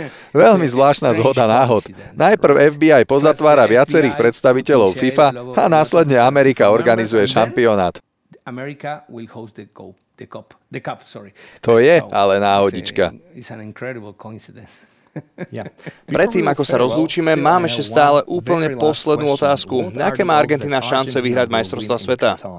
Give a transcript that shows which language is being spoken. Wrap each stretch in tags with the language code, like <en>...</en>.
<sk>Veľmi zvláštna zhoda náhod. Najprv FBI pozatvára viacerých predstaviteľov FIFA a následne Amerika organizuje šampionát.</sk> <en>America will host the cup.</en> <sk>To je ale náhodička.</sk> <en>It's an incredible coincidence.</en> <sk>Predtým, ako sa rozlúčime, máme ešte stále úplne poslednú otázku. Aké má Argentina šance vyhrať majstrovstvá sveta?</sk>